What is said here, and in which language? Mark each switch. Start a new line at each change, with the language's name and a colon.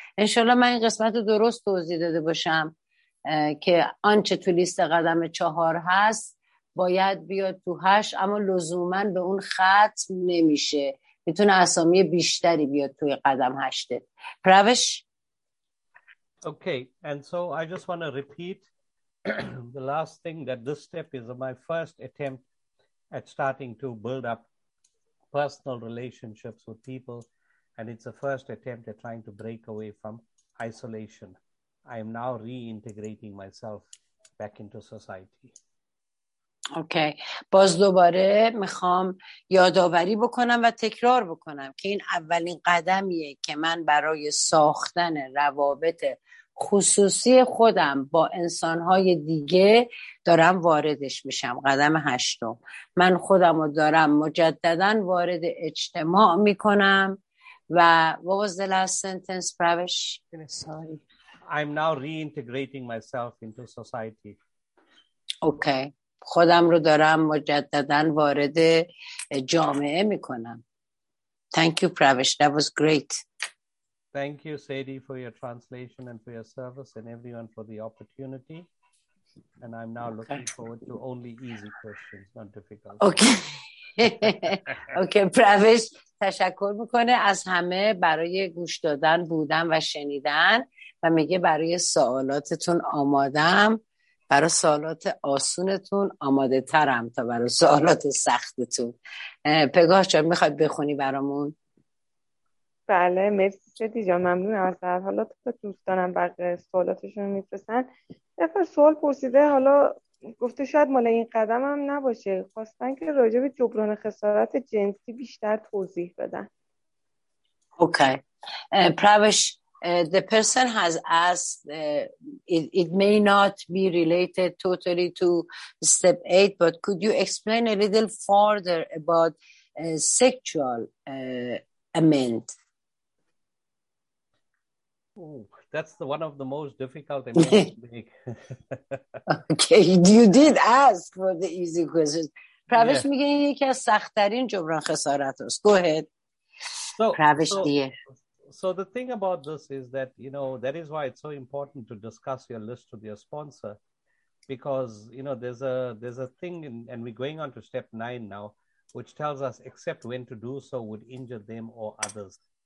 Persian: انشالله من این قسمت رو درست توضیح داده باشم که آنچه تو لیست قدم چهار هست باید بیاد تو هشت، اما لزوماً به اون ختم نمیشه، میتونه اسامی بیشتری بیاد توی قدم هشتت. پروش؟
English: Okay, and so I just want to repeat the last thing, that this step is my first attempt at starting to build up personal relationships with people, and it's the first attempt at trying to break away from isolation. I am now reintegrating myself back into society. Okay.
Persian: باز دوباره میخوام یادآوری بکنم و تکرار بکنم که این اولین قدمیه که من برای ساختن روابط خصوصی خودم با انسانهای دیگه دارم واردش میشم. قدم هشتم، من خودم رو دارم مجدداً وارد اجتماع میکنم.
English: و what was the last sentence, Pravesh? Sorry. I'm now reintegrating myself into society. Okay.
Persian: خودم رو دارم مجدداً وارد جامعه میکنم.
English: Thank you, Pravesh. That was great. Thank you, Sadie, for your translation and for your service and everyone for the opportunity. And I'm now looking forward to only easy questions, not difficult. Okay.
Persian: Okay, Pravesh, تشکر میکنه از همه برای گوش دادن، بودن و شنیدن و میگه برای سوالاتتون آمادم. برای سوالات آسونتون آماده ترم تا برای سوالات سختتون. پگاه جان میخواد بخونی برامون؟ بله، مرسی شدی جان، ممنونم ازت. حالا تو دوستانم بقیه سوالاتشون میپرسن. یه سوال پرسیده، حالا گفته شاید مال این قدم هم نباشه، خواستن که راجع به جبران خسارت جنسی بیشتر توضیح بدن.
English: Okay. Pravesh, the person has asked, it may not be related totally to step 8, but could you explain a little further about sexual amend? Oh, that's the one of the most difficult amends to make. Okay, you did ask for the easy questions.
Persian: Pravesh میگه این یکی از سخت‌ترین جبران خسارت است.
English: Go ahead. Pravesh دیگه. So the thing about this is that, you know, that is why it's so important to discuss your list with your sponsor, because, you know, there's a thing in, and we're going on to step 9 now, which tells us except when to do so would injure them or others.